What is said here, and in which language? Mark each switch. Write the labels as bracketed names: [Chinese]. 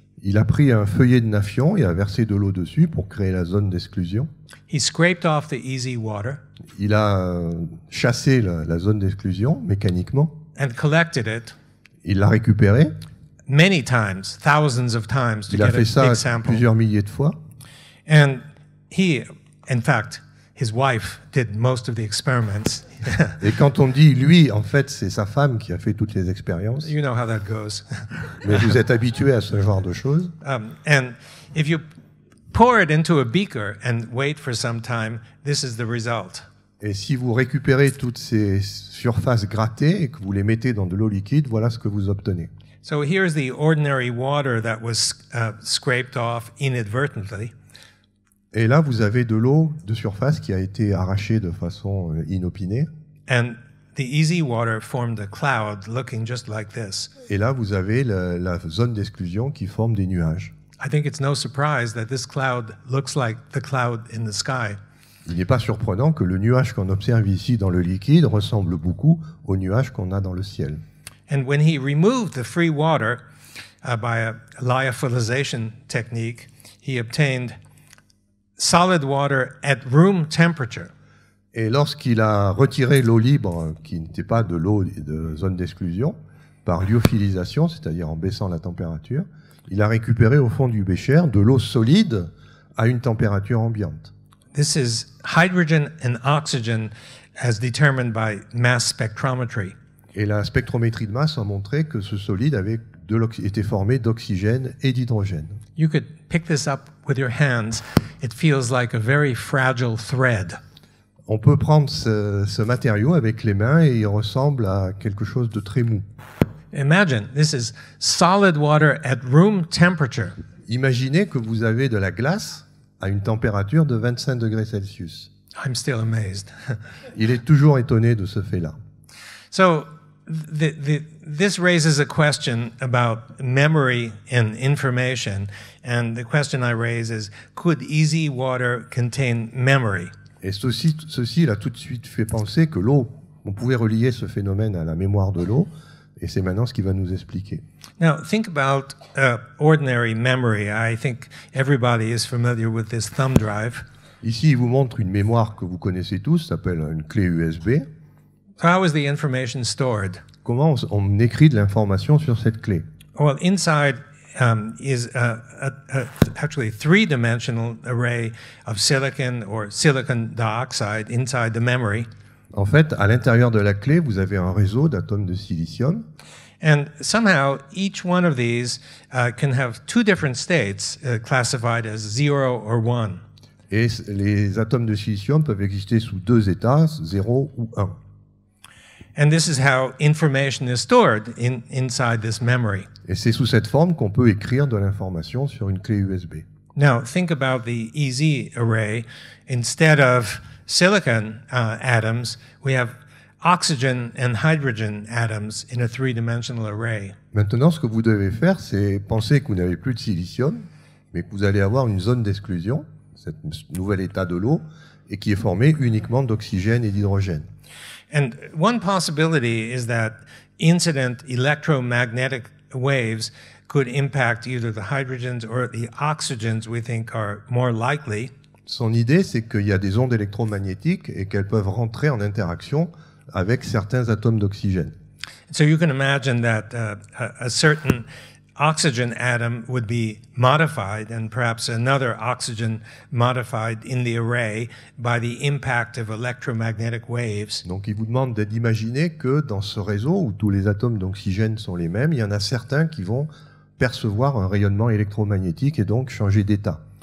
[French] Il a pris un feuillet de naphthion et a versé de l'eau dessus pour créer la zone d'exclusion. [English] He scraped off the easy water. [French] Il a chassé la zone d'exclusion mécaniquement. [English] And collected it. [French] Il l'a récupéré. [English] Many times, thousands of times to get a big sample. [French] Il a fait ça plusieurs milliers de fois. [English] And he, in fact, his wife did most of the experiments. [French] Et quand on dit lui, en fait, c'est sa femme qui a fait toutes les expériences. [English] You know how that goes. [French] Mais vous êtes habitué à ce genre de choses. [English] And if you pour it into a beaker and wait for some time, this is the result. [French] Et si vous récupérez toutes ces surfaces grattées et que vous les mettez dans de l'eau liquide, voilà ce que vous obtenez. [English] So here is the ordinary water that was scraped off inadvertently. [French] Et là, vous avez de l'eau de surface qui a été arrachée de façon inopinée. [English] And the easy water formed a cloud looking just like this. [French] Et là, vous avez la zone d'exclusion qui forme des nuages. [English] I think it's no surprise that this cloud looks like the cloud in the sky. [French] Il n'est pas surprenant que le nuage qu'on observe ici dans le liquide ressemble beaucoup au nuage qu'on a dans le ciel. [English] And when he removed the free water by a lyophilization technique, he obtained solid water at room temperature. [French] Et lorsqu'il a retiré l'eau libre qui n'était pas de l'eau de zone d'exclusion par lyophilisation, c'est-à-dire en baissant la température, il a récupéré au fond du bécher de l'eau solide à une température ambiante. [English] This is hydrogen and oxygen as determined by mass spectrometry. [French] Et la spectrométrie de masse a montré que ce solide avait été formé d'oxygène et d'hydrogène. [English] You could pick this up with your hands. It feels like a very fragile thread. [French] On peut prendre ce matériau avec les mains et il ressemble à quelque chose de très mou. [English] Imagine, this is solid water at room temperature. [French] Imaginez que vous avez de la glace à une température de 25 degrés Celsius. [English] I'm still amazed. [French] Il est toujours étonné de ce fait-là. [English] So, this raises a question about memory and information. And the question I raise is, could easy water contain memory? [French] Et ceci l'a tout de suite fait penser que l'eau On pouvait relier ce phénomène à la mémoire de l'eau, et c'est maintenant ce qu'il va nous expliquer. [English] Now, think about ordinary memory. I think everybody is familiar with this thumb drive. [French] Ici, il vous montre une mémoire que vous connaissez tous, ça s'appelle une clé USB. [English] How is the information stored? [French] Comment on écrit de l'information sur cette clé? [English] Well, inside is actually a three-dimensional array of silicon or silicon dioxide inside the memory. [French] En fait, à l'intérieur de la clé, vous avez un réseau d'atomes de silicium. [English] And somehow, each one of these can have two different states classified as zero or one. [French] Et les atomes de silicium peuvent exister sous deux états, 0 ou 1. [English] And this is how information is stored inside this memory. [French] Et c'est sous cette forme qu'on peut écrire de l'information sur une clé USB. [English] Now, think about the EZ array. Instead of silicon atoms, we have oxygen and hydrogen atoms in a three-dimensional array. [French] Maintenant, ce que vous devez faire, c'est penser que vous n'avez plus de silicium, mais que vous allez avoir une zone d'exclusion, cet nouvel état de l'eau, et qui est formé uniquement d'oxygène et d'hydrogène. [English] And one possibility is that incident electromagnetic waves could impact either the hydrogens or the oxygens we think are more likely. [French] Son idée, c'est qu'il y a des ondes électromagnétiques et qu'elles peuvent rentrer en interaction avec certains atomes d'oxygène. [English] So you can imagine that a certain oxygen atom would be modified and perhaps another oxygen modified in the array by the impact of electromagnetic waves. [French] Donc il vous demande d'imaginer que dans ce réseau où tous les atomes d'oxygène sont les mêmes, il y en a certains qui vont percevoir un rayonnement électromagnétique et donc changer d'état.